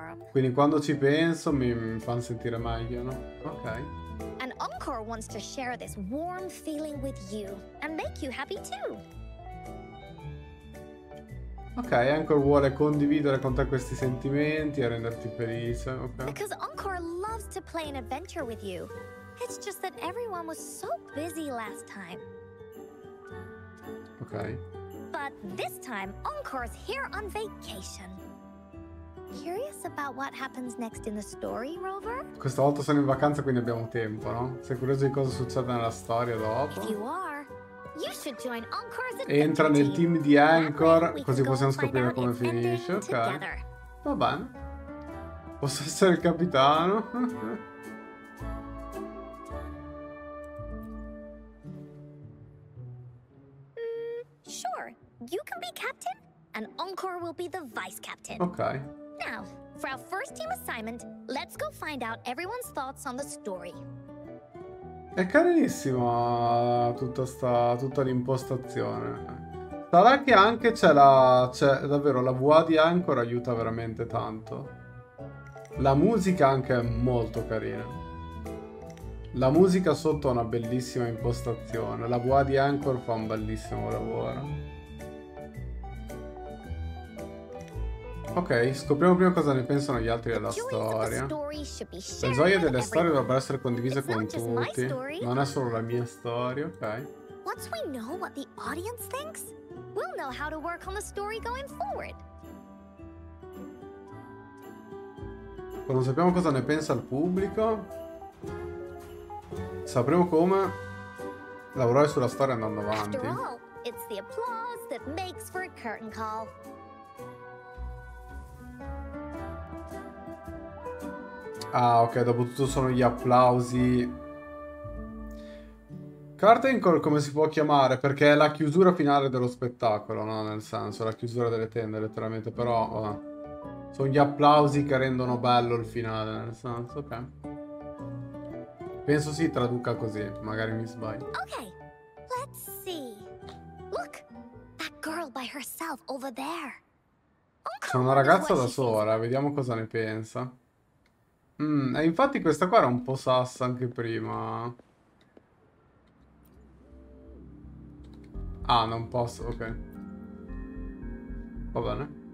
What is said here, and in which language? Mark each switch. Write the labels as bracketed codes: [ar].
[it] Quindi quando ci penso mi fanno sentire meglio, no? Ok. [en] An encore wants to share this warm feeling with you and make you happy too. [it] Ok, Anchor vuole condividere con te questi sentimenti e renderti felice, ok? [en] Because Anchor loves to play an adventure with you. It's just that everyone was so busy last time. [it] Ok. [en] But this time, Anchor's here on vacation. Curious about what happens next in the story, Rover? [it] Questa volta sono in vacanza, quindi abbiamo tempo, no? Sei curioso di cosa succede nella storia dopo? [en] If you are. You should join Anchor's adventure. [it] Entra nel team di Anchor, così possiamo scoprire come finisce, ok? Va bene. Posso essere il capitano? [en] Sure. You can be captain and Anchor will be the vice captain. [it] Ok. [en] Now, for our first team assignment, let's go find out everyone's thoughts on the story. [it] È carinissima tutta sta tutta l'impostazione. Sarà che anche c'è la... c'è davvero la VA di Anchor aiuta veramente tanto. La musica anche è molto carina. La musica sotto ha una bellissima impostazione. La VA di Anchor fa un bellissimo lavoro. Ok, scopriamo prima cosa ne pensano gli altri della storia. Le gioie delle storie dovrebbero essere condivise con tutti. Non è solo la mia storia, ok. [en] Once we know what the audience thinks, we'll know how to work on the story going forward. [it] Quando sappiamo cosa ne pensa il pubblico, sapremo come lavorare sulla storia andando avanti. [en] It's the applause that makes for a curtain call. [it] Ah, ok, dopo tutto sono gli applausi. Curtain call, come si può chiamare? Perché è la chiusura finale dello spettacolo, no? Nel senso, la chiusura delle tende, letteralmente. Però, vabbè. Sono gli applausi che rendono bello il finale, nel senso, ok. Penso si traduca così, magari mi sbaglio. [en] Ok, let's see. Look, that girl by herself over there. [it] C'è una ragazza da sola, vediamo cosa ne pensa. E infatti questa qua era un po' sassa anche prima. Ah, non posso, ok. Va bene.